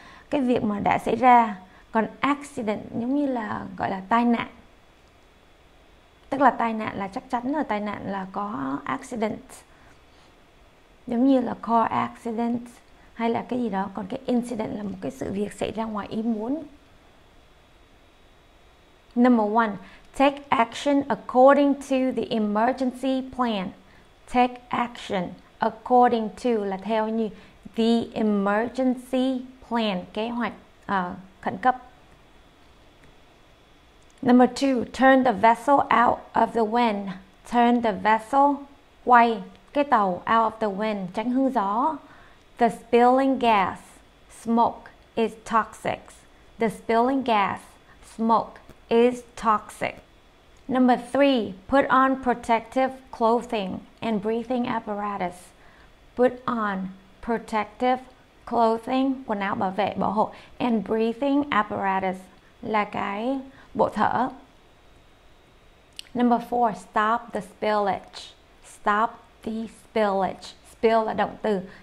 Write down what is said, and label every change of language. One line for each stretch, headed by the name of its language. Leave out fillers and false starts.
Vietnamese: Cái việc mà đã xảy ra. Còn accident giống như là gọi là tai nạn. Tức là tai nạn là chắc chắn là tai nạn là có accident. Giống như là car accident hay là cái gì đó. Còn cái incident là một cái sự việc xảy ra ngoài ý muốn.
English: Number one, take action according to the emergency plan. Take action according to
Vietnamese: là theo như
English: the emergency plan,
Vietnamese: kế hoạch khẩn cấp.
English: Number two, turn the vessel out of the wind. Turn the vessel,
Vietnamese: quay cái tàu
English: out of the wind,
Vietnamese: tránh hướng gió.
English: The spilling gas, smoke, is toxic. The spilling gas, smoke, is toxic. Number three, put on protective clothing and breathing apparatus. Put on protective clothing,
Vietnamese: quần áo bảo vệ, bảo hộ,
English: and breathing apparatus,
Vietnamese: là cái bộ thở.
English: Number four, stop the spillage. Stop the spillage. Spill
Vietnamese: là động từ.